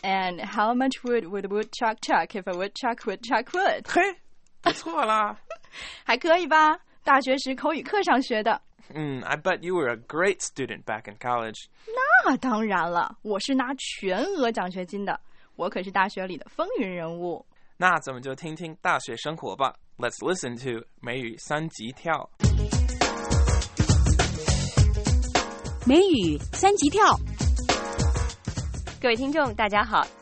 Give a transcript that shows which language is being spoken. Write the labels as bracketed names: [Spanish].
[English] And how much wood would wood chuck chuck if a wood chuck would chuck wood? [Chinese] 嘿，不错啦。还可以吧，大学时口语课上学的。 [English] I bet you were a great student back in college. [Chinese] 那当然了，我是拿全额奖学金的，我可是大学里的风云人物。那咱们就听听大学生活吧。 [English] Let's listen to 美语三级跳。 [Chinese] 美语三级跳。各位听众，大家好。